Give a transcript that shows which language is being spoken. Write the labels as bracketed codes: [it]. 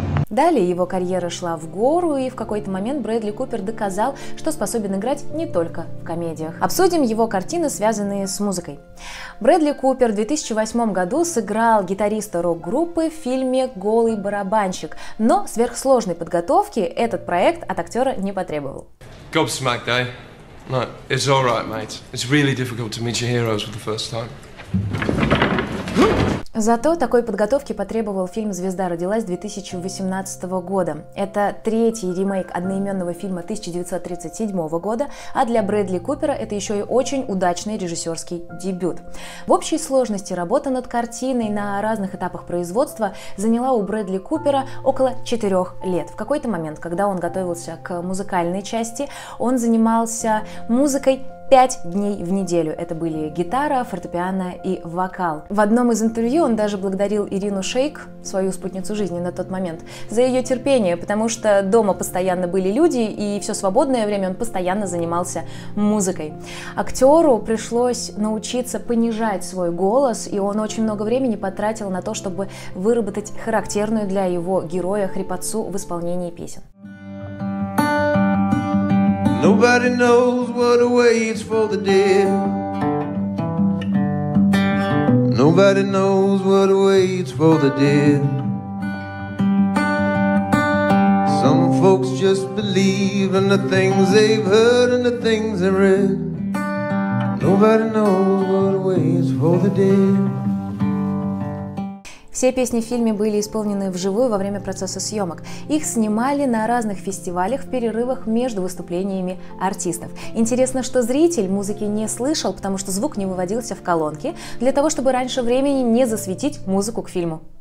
[ru] Далее его карьера шла в гору, и в какой-то момент Брэдли Купер доказал, что способен играть не только в комедиях. Обсудим его картины, связанные с музыкой. Брэдли Купер в 2008 году сыграл гитариста рок-группы в фильме «Голый барабанщик», но сверхсложной подготовки этот проект от актера не потребовал. [en] Gobsmacked, eh? No, it's all right, mate. It's really difficult to meet your heroes for the first time. [ru] Зато такой подготовки потребовал фильм «Звезда родилась» 2018 года. Это третий ремейк одноименного фильма 1937 года, а для Брэдли Купера это еще и очень удачный режиссерский дебют. В общей сложности работа над картиной на разных этапах производства заняла у Брэдли Купера около 4 лет. В какой-то момент, когда он готовился к музыкальной части, он занимался музыкой 5 дней в неделю. Это были гитара, фортепиано и вокал. В одном из интервью он даже благодарил Ирину Шейк, свою спутницу жизни на тот момент, за ее терпение, потому что дома постоянно были люди, и все свободное время он постоянно занимался музыкой. Актеру пришлось научиться понижать свой голос, и он очень много времени потратил на то, чтобы выработать характерную для его героя хрипотцу в исполнении песен. [en] Nobody knows what awaits for the dead. Nobody knows what awaits for the dead. Some folks just believe in the things they've heard and the things they've read. Nobody knows what awaits for the dead. [ru] Все песни в фильме были исполнены вживую во время процесса съемок. Их снимали на разных фестивалях в перерывах между выступлениями артистов. Интересно, что зритель музыки не слышал, потому что звук не выводился в колонки, для того, чтобы раньше времени не засветить музыку к фильму.